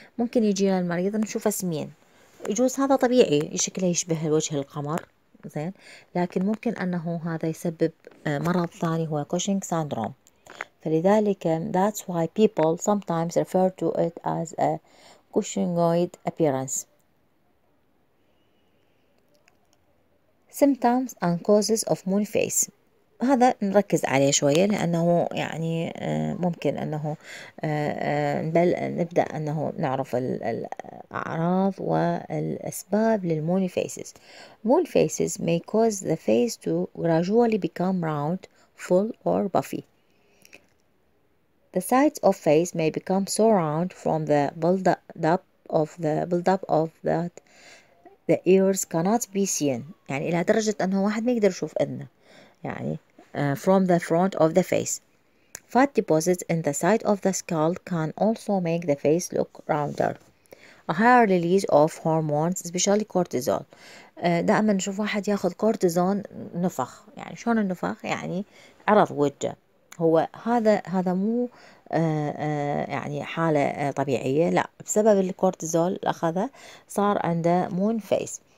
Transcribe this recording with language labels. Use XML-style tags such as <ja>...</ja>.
<ar>ممكن يجينا المريض نشوفه سمين، يجوز هذا طبيعي شكله يشبه وجه القمر زين، لكن ممكن انه هذا يسبب مرض ثاني هو Cushing syndrome. فلذلك</ar> <en>that's why people sometimes refer to it as a Cushingoid appearance. Symptoms and causes of moon face.</en> <ar>هذا نركز عليه شوية لأنه يعني ممكن أنه بل نبدأ أنه نعرف الأعراض والأسباب للمون فيسز.</ar> <en>Moon faces may cause the face to gradually become round, full or puffy. The sides of face may become so round from the build up of that the ears cannot be seen.</en> <ar>يعني إلى درجة أنه واحد ما يقدر يشوف أذنه. يعني</ar> <en>from the front of the face. Fat deposits in the side of the skull can also make the face look rounder. A higher release of hormones, especially cortisol.</en> <ar>دائما نشوف واحد ياخذ كورتيزون نفخ. يعني شلون النفخ؟ يعني عرض وجه. هو هذا مو يعني حالة طبيعية، لا، بسبب الكورتيزول اللي أخذه صار عنده moon face.</ar>